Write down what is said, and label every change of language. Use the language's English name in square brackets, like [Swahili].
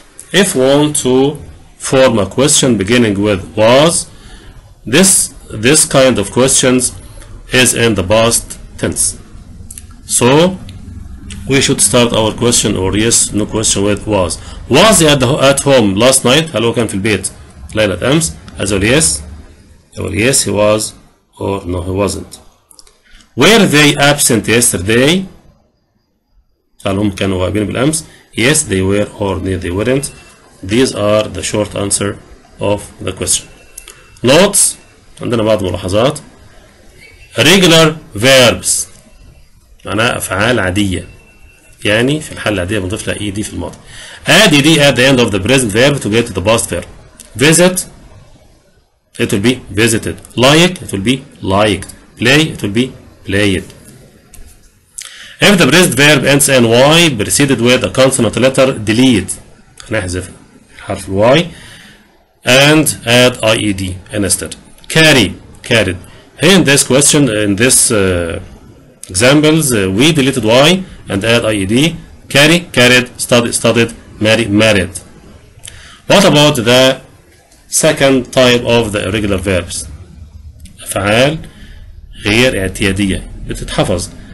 [English] If we want to form a question beginning with was, this kind of questions is in the past tense. So we should start our question or yes no question with was. Was he at home last night? [Arabic] هل هو كان في البيت ليلة أمس؟ [English] As well, yes. Well, yes he was or no he wasn't. Were they absent yesterday? [Arabic] هل هم كانوا غائبين بالأمس؟ [English] Yes they were or no they weren't. These are the short answer of the question. Notes. [Arabic] عندنا بعض ملاحظات. [English] Regular verbs [Arabic] معناها أفعال عادية، يعني في الحالة العادية بنضيف لها ED في الماضي. [English] Add ED at the end of the present verb to get to the past verb. Visit it will be visited. Like it will be liked. Play it will be played. If the present verb ends in Y preceded with a consonant letter, delete. [Arabic] هنحذف الحرف [English] Y and add IED instead. Carry carried. Hey, in this question, in this examples, we deleted Y and add IED. Carry, carried, studied, married. What about the second type of the irregular verbs? [Arabic] أفعال غير اعتيادية بتتحفظ.